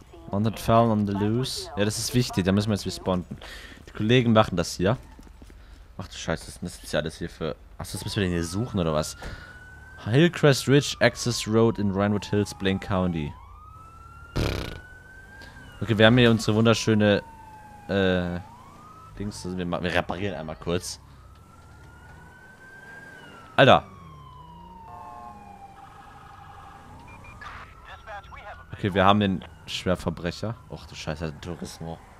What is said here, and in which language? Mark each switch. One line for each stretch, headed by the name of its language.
English: Wanted felon on the loose.
German: Ja, das ist wichtig. Da müssen wir jetzt responden. Die Kollegen machen das hier. Ach du Scheiße, was ist das jetzt alles hier für... Achso, das müssen wir denn hier suchen oder was?
English: Hillcrest Ridge Access Road in Rynwood Hills, Blaine County.
German: Okay, wir haben hier unsere wunderschöne... Dings, also wir reparieren einmal kurz. Alter. Okay, wir haben den Schwerverbrecher. Och du Scheiße, ein Turismo.